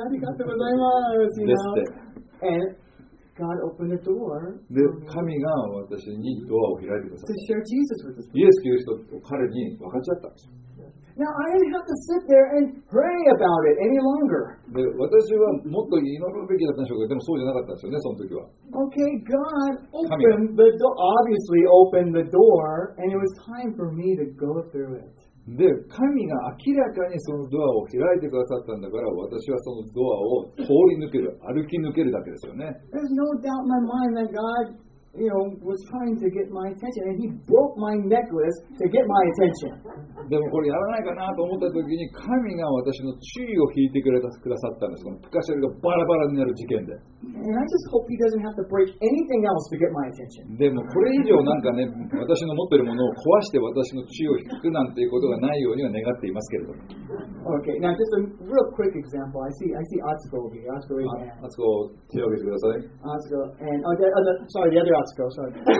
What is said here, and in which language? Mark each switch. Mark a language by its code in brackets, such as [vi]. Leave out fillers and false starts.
[ja] ありがとうございます。ですって。 [en] God opened the door. [ja] で、神が私にドアを開いてください。 [en] To share Jesus with us. [ja] イエス・キリストを彼に分かっちゃったんですよ。 [en] Now I didn't have to sit there and pray about it any longer. [ja] で、私はもっと祈るべきだったんでしょうけど、でもそうじゃなかったんですよね、その時は。 [en] Okay, God opened the door. Obviously opened the door, and it was time for me to go through it. [ja] で、神が明らかにそのドアを開いてくださったんだから、私はそのドアを通り抜ける、歩き抜けるだけですよね。 [en] There's no doubt in my mind that God, you know, was trying to get my attention, and He broke my necklace to get my attention. [ja] でもこれやらないかなと思った時に、神が私の注意を引いてくれたくださったんです。このプカシェルがバラバラになる事件で。 [en] And I just hope He doesn't have to break anything else to get my attention. [ja] でもこれ以上なんかね、私の持ってるものを壊して私の注意を引くなんていうことがないようには願っていますけれども。 [en] Okay, now just a real quick example. I see Atsuko over here. Atsuko, raise your hand. [ja] Atsuko, 手を挙げてください。 [en] Atsuko, and, oh, that, oh, the, sorry, the other Atsuko, sorry.